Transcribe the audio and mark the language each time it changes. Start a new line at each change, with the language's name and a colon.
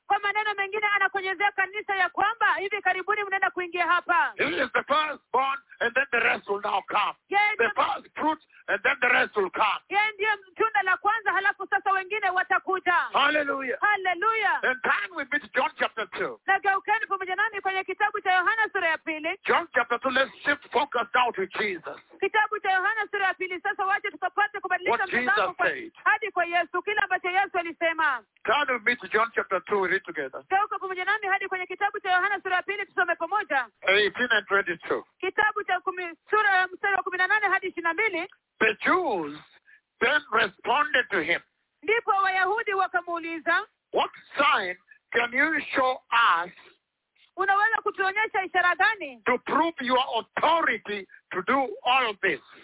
Swahili: Kwa maneno mengine anakonyezea kanisa ya kwamba hivi karibuni mnaenda kuingia hapa.
English: He is the firstborn and then the rest will now come. Yeah, the first fruit and then the rest will come.
Swahili: Yeah, ndiye mtunda la kwanza halafu sasa wengine watakuja. Hallelujah. Hallelujah.
English: And turn with me to John chapter 2.
Swahili: Na geukeni pamoja nami kwenye kitabu cha Yohana sura ya pili.
English: John chapter 2, let's shift focus down to Jesus.
Swahili: Kitabu cha Yohana sura ya pili sasa wacha tukapate kubadilisha mtazamo kwa hadi kwa Yesu kila ambacho Yesu alisema.
English: Turn with me to John chapter 2, read together.
Swahili: Geuka pamoja nami hadi kwenye kitabu cha Yohana sura ya pili tusome pamoja.
English: 18 and 22.
Swahili: Kitabu cha 10 sura ya 18 hadi 22.
English: The Jews then responded to him.
Swahili: Ndipo Wayahudi wakamuuliza,
English: what sign can you show us?
Swahili: Unaweza kutuonyesha ishara gani?
English: To prove your authority to do all of this.